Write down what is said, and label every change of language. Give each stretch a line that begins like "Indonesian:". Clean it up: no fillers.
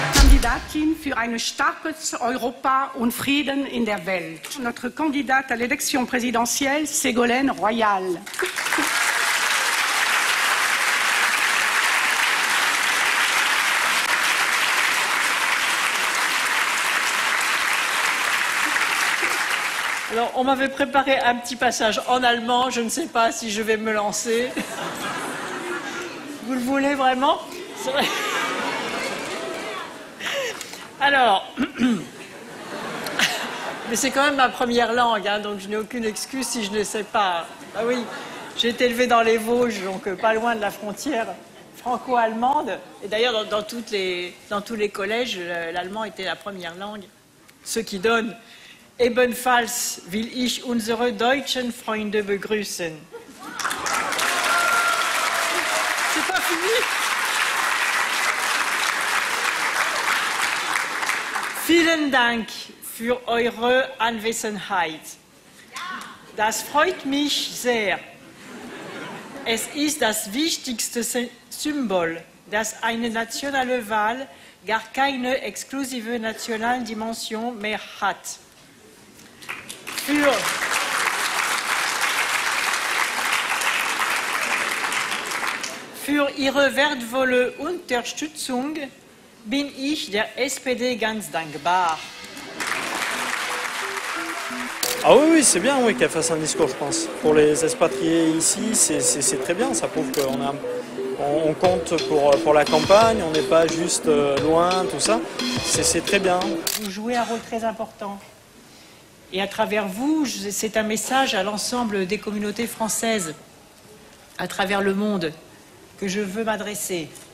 German: Candidatin für eine starke Europa und Frieden in der Welt.
French: Notre candidate à l'élection présidentielle, Ségolène Royal. Alors, on m'avait préparé un petit passage en allemand, je ne sais pas si je vais me lancer. Vous le voulez vraiment? Alors, mais c'est quand même ma première langue, hein, donc je n'ai aucune excuse si je ne sais pas. Ah oui, j'ai été élevée dans les Vosges, donc pas loin de la frontière franco-allemande. Et d'ailleurs, dans tous les collèges, l'allemand était la première langue, ce qui donne...
German: Ebenfalls will ich unsere deutschen Freunde begrüßen.
French: C'est pas fini.
German: Vielen Dank für eure Anwesenheit. Das freut mich sehr. Es ist das wichtigste Symbol, dass eine nationale Wahl gar keine exklusive nationale Dimension mehr hat. Für Ihre wertvolle Unterstützung bin ich der SPD ganz dankbar.
French: Ah oui, c'est bien oui, qu'elle fasse un discours, je pense. Pour les expatriés ici, c'est très bien. Ça prouve qu'on compte pour la campagne, on n'est pas juste loin, tout ça. C'est très bien. Vous jouez un rôle très important. Et à travers vous, c'est un message à l'ensemble des communautés françaises, à travers le monde, que je veux m'adresser.